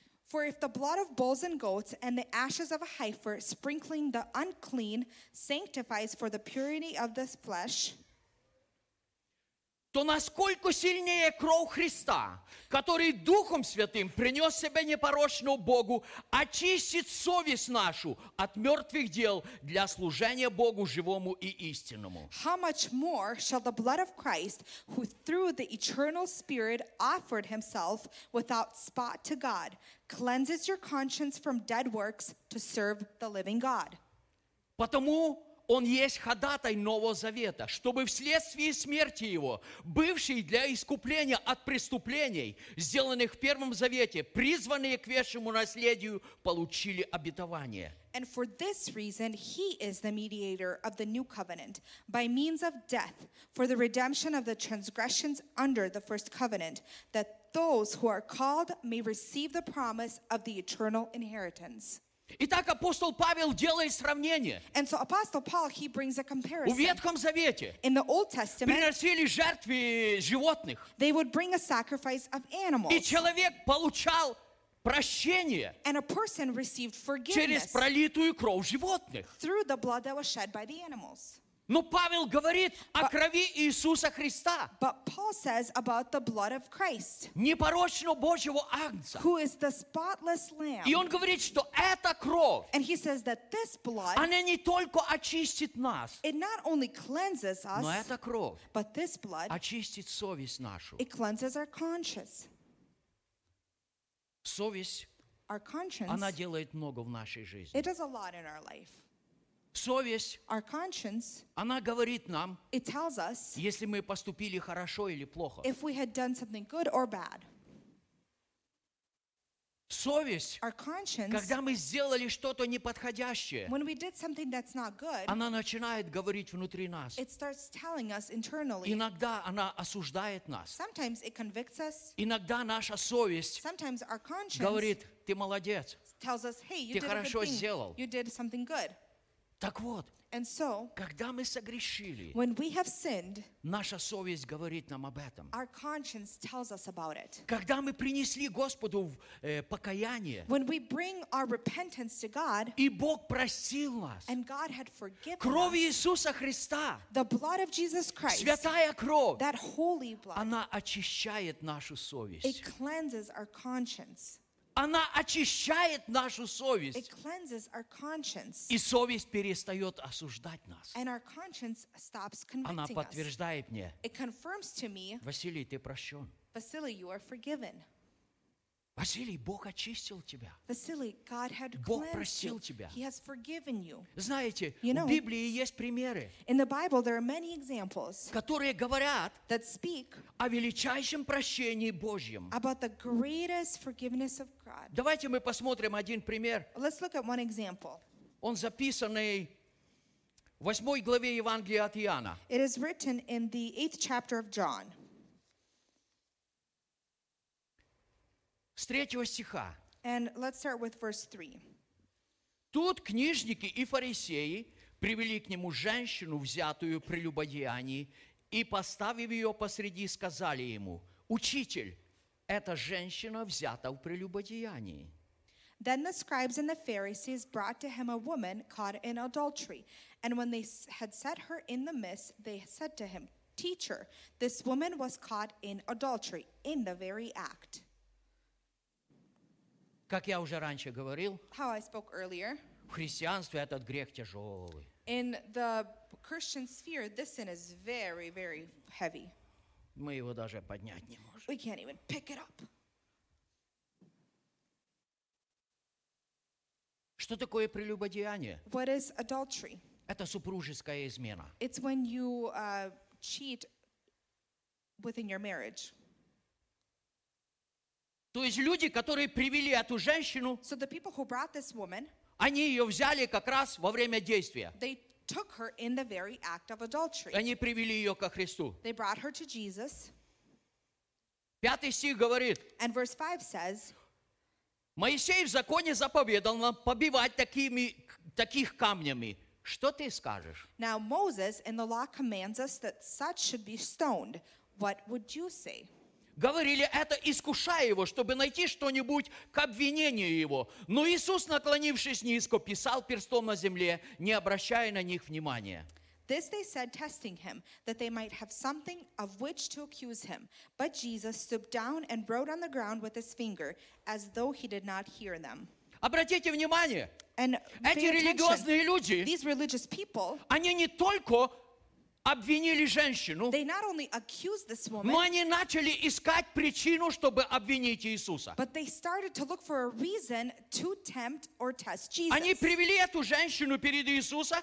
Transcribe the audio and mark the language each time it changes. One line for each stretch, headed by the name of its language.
English: For if the blood of bulls and goats and the ashes of a heifer sprinkling the unclean sanctifies for the purity of the flesh,
Russian: то насколько сильнее кровь Христа, который Духом Святым принес себя непорочному Богу, очистит совесть нашу от мертвых дел для служения Богу живому и истинному.
English: How much more shall the blood of Christ, who through the eternal Spirit offered himself without spot to God, cleanses your conscience from dead works to serve the living God?
Russian: Потому Он есть ходатай Нового Завета, чтобы вследствие смерти Его, бывший для искупления от преступлений, сделанных в Первом Завете, призванные к вечному наследию, получили обетование.
English: And for this reason, He is the mediator of the new covenant, by means of death, for the redemption of the transgressions under the first covenant, that those who are called may receive the promise of the eternal inheritance.
Russian: Итак, апостол Павел делает сравнение.
English: And so Apostle Paul, he brings a comparison.
Russian: В Ветхом Завете
English: In the Old Testament,
Russian: приносили жертвы животных.
English: They would bring a sacrifice of animals.
Russian: И человек получал прощение
English: And a person received forgiveness
Russian: через пролитую кровь животных.
English: Through the blood that was shed by the animals.
Russian: Но Павел говорит о крови Иисуса Христа.
English: But Paul says about the blood of Christ.
Russian: Непорочного Божьего Агнца.
English: Who is the spotless lamb.
Russian: И он говорит, что эта кровь.
English: And he says that this blood.
Russian: Она не только очистит нас.
English: It not only cleanses us.
Russian: Но эта кровь.
English: But this blood.
Russian: Очистит совесть нашу.
English: It cleanses our conscience.
Russian: Совесть.
English: Our conscience.
Russian: Она делает много в нашей жизни.
English: It does a lot in our life.
Russian: Совесть,
English: our conscience,
Russian: она говорит нам,
English: it tells us,
Russian: если мы поступили хорошо или плохо.
English: If we had done something good or bad.
Russian: Совесть,
English: our conscience,
Russian: когда мы сделали что-то неподходящее,
English: when we did something that's not good,
Russian: она начинает говорить внутри нас.
English: It starts telling us internally.
Russian: Иногда она осуждает нас.
English: Sometimes it convicts us.
Russian: Иногда наша совесть
English: Sometimes our conscience
Russian: говорит, ты молодец,
English: tells us, hey, you
Russian: ты
English: did
Russian: хорошо
English: a good thing.
Russian: Сделал.
English: You did something good.
Russian: Так вот,
English: and so,
Russian: когда мы согрешили,
English: when we have sinned,
Russian: наша совесть говорит нам об этом.
English: Our conscience tells us about it.
Russian: Когда мы принесли Господу покаяние,
English: when we bring our repentance to God,
Russian: и Бог простил нас,
English: and God had forgiven
Russian: кровь Иисуса Христа,
English: the blood of Jesus Christ,
Russian: святая кровь,
English: that holy blood,
Russian: она очищает нашу совесть.
English: It cleanses our conscience.
Russian: Она очищает нашу совесть.
English: It cleanses our conscience.
Russian: И совесть перестает осуждать нас.
English: And our conscience stops convicting
Russian: Она подтверждает
English: us.
Russian: Мне.
English: It confirms to me,
Russian: Василий, ты прощен.
English: Vasiliy, you are forgiven.
Russian: Василий, Бог очистил тебя.
English: Vasiliy, God had cleansed
Russian: Бог простил тебя.
English: He has forgiven you.
Russian: Знаете,
English: you know,
Russian: в Библии есть примеры,
English: in the Bible, there are many examples,
Russian: которые говорят
English: that speak
Russian: о величайшем прощении Божьем.
English: About the greatest forgiveness of God.
Russian: Давайте мы посмотрим один пример.
English: Let's look at one example.
Russian: Он записанный в 8 главе Евангелия от Иоанна.
English: It is written in the 8th chapter of John.
Russian: С третьего стиха.
English: And let's start with verse 3.
Russian: Тут книжники и фарисеи привели к нему женщину, взятую при любодеянии, и, поставив ее посреди, сказали ему: «Учитель, эта женщина взята в прелюбодеянии».
English: Then the scribes and the Pharisees brought to him a woman caught in adultery. And when they had set her in the midst, they said to him, «Teacher, this woman was caught in adultery, in the very act».
Russian: Как я уже раньше говорил,
English: how I spoke earlier,
Russian: в христианстве этот грех тяжелый.
English: In the Christian sphere, this sin is very, very heavy.
Russian: Мы его даже поднять не можем.
English: We can't even pick it up.
Russian: Что такое прелюбодеяние?
English: What is adultery?
Russian: Это супружеская измена.
English: It's when you cheat within your marriage.
Russian: То есть люди, которые привели эту женщину,
English: so the people who brought this woman,
Russian: они ее взяли как раз во время действия.
English: They took her in the very act of adultery.
Russian: Они привели ее ко Христу.
English: They brought her to Jesus.
Russian: Пятый стих говорит,
English: and verse 5 says,
Russian: Моисей в законе заповедал нам побивать таких камнями. Что ты скажешь?
English: Now Moses in the law commands us that such should be stoned. What would you say?
Russian: Говорили это, искушая его, чтобы найти что-нибудь к обвинению его. Но Иисус, наклонившись низко, писал перстом на земле, не обращая на них внимания.
English: This they said, testing him, that they might have something of which to accuse him. But Jesus stooped down and wrote on the ground with his finger, as though he did not hear them.
Russian: Обратите внимание,
English: and
Russian: эти религиозные люди,
English: these religious people,
Russian: они не только обвинили женщину,
English: they not only accused this woman,
Russian: но они начали искать причину, чтобы обвинить Иисуса.
English: But they started to look for a reason to tempt or test Jesus.
Russian: Они привели эту женщину перед Иисуса.